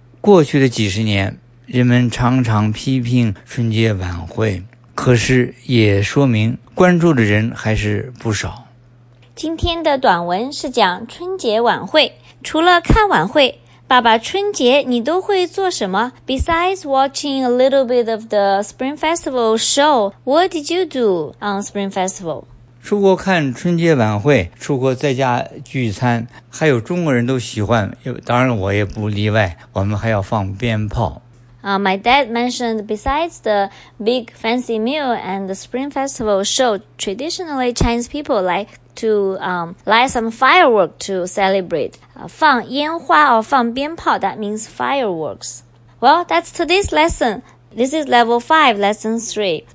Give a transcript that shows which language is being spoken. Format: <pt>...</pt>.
<zh>过去的几十年，人们常常批评春节晚会，可是也说明关注的人还是不少。今天的短文是讲春节晚会，除了看晚会，爸爸春节你都会做什么？</zh> <en>Besides watching a little bit of the Spring Festival show, what did you do on Spring Festival?</en> <zh>出国看春节晚会，出国在家聚餐，还有中国人都喜欢，当然我也不例外，我们还要放鞭炮。</zh> <en>My dad mentioned besides the big fancy meal and the Spring Festival show, traditionally Chinese people like to light some firework to celebrate. 放烟花 or 放鞭炮, that means fireworks. Well, that's today's lesson. This is level 5, lesson 3.</en>